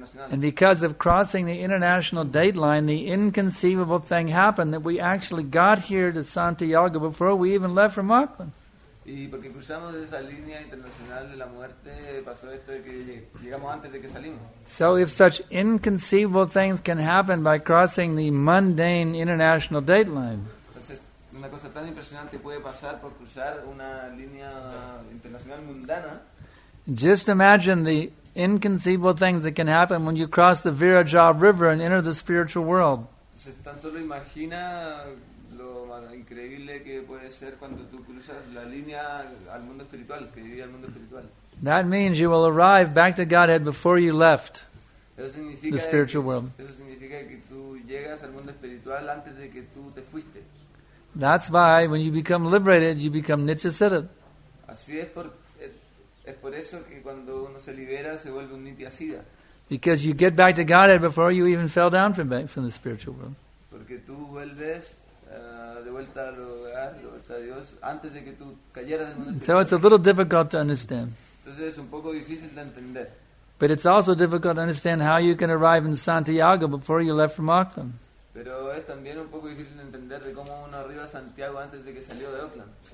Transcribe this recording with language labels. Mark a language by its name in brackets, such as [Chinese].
[English] And because of crossing the international date line, the inconceivable thing happened that we actually got here to Santiago before we even left from Auckland. [Spanish] Y porque cruzamos esa línea internacional de la muerte, pasó esto de que llegamos antes de que salimos. [English] So if such inconceivable things can happen by crossing the mundane international date line. [Spanish] Entonces, una cosa tan impresionante puede pasar por cruzar una línea internacional mundana. [English] Just imagine the inconceivable things that can happen when you cross the Virajab River and enter the spiritual world. [Spanish] Entonces, tan solo imagina lo increíble que puede ser cuando tú cruzas la línea al mundo espiritual, que divide al mundo espiritual. [English] That means you will arrive back to Godhead before you left the spiritual world. [Spanish] Eso significa que tú llegas al mundo espiritual antes de que tú te fuiste. [English] That's why when you become liberated, you become nitya siddha. [Spanish] Así es por eso que cuando uno se libera se vuelve un nitya siddha. [English] Because you get back to Godhead before you even fell down from the spiritual world. [Spanish] Porque tú vuelves de vuelta al hogar, de vuelta a Dios, antes de que tú cayeras del mundo. [English] So it's a little difficult to understand. [Spanish] Entonces es un poco difícil de entender. [English] But it's also difficult to understand how you can arrive in Santiago before you left from Auckland. [Spanish] Pero es también un poco difícil de entender de cómo uno arriba a Santiago antes de que salió de Auckland.